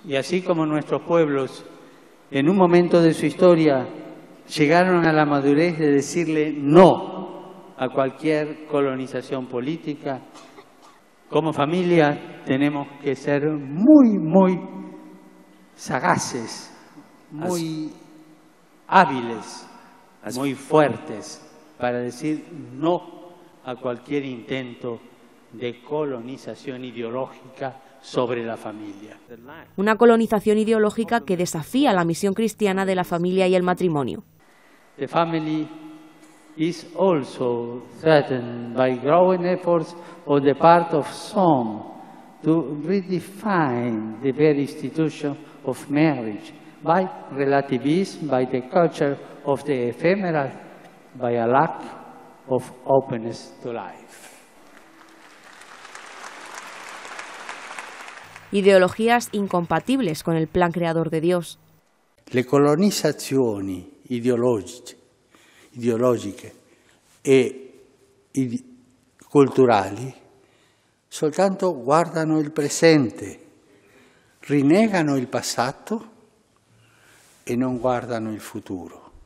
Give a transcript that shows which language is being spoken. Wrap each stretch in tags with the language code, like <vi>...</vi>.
<es>Y así como nuestros pueblos, en un momento de su historia, llegaron a la madurez de decirle no a cualquier colonización política, como familia tenemos que ser muy, muy sagaces, muy hábiles, muy fuertes para decir no a cualquier intento de colonización ideológica sobre la familia. Una colonización ideológica que desafía la misión cristiana de la familia y el matrimonio.</es> <en>The family is also threatened by growing efforts on the part of some to redefine the very institution of marriage by relativism, by the culture of the ephemeral, by a lack of openness to life.</en> <es>Ideologías incompatibles con el plan creador de Dios.</es> <it>Le colonizzazioni ideologiche e culturali soltanto guardano il presente, rinnegano il passato e non guardano il futuro.</it>